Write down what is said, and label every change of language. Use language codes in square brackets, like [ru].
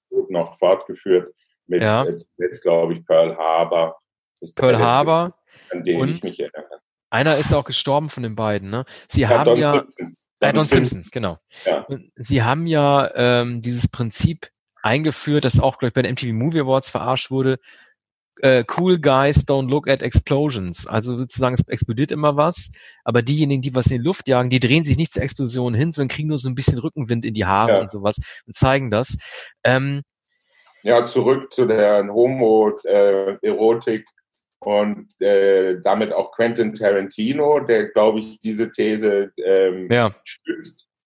[de] Noch fortgeführt mit, ja. Jetzt glaube ich, Pearl Harbor. Ist Pearl der Harbor. Film, an den und ich mich erinnere. Einer ist auch gestorben von den beiden, ne? Sie haben ja. Don Simpson, genau. Ja. Sie haben ja dieses Prinzip eingeführt, das auch, glaube ich, bei den MTV Movie Awards verarscht wurde. [en] Cool guys don't look at explosions. [de] Also sozusagen, es explodiert immer was, aber diejenigen, die was in die Luft jagen, die drehen sich nicht zur Explosion hin, sondern kriegen nur so ein bisschen Rückenwind in die Haare, ja. Und sowas und zeigen das. Ja, zurück zu der Homo-Erotik und damit auch Quentin Tarantino, der, glaube ich, diese These stützt.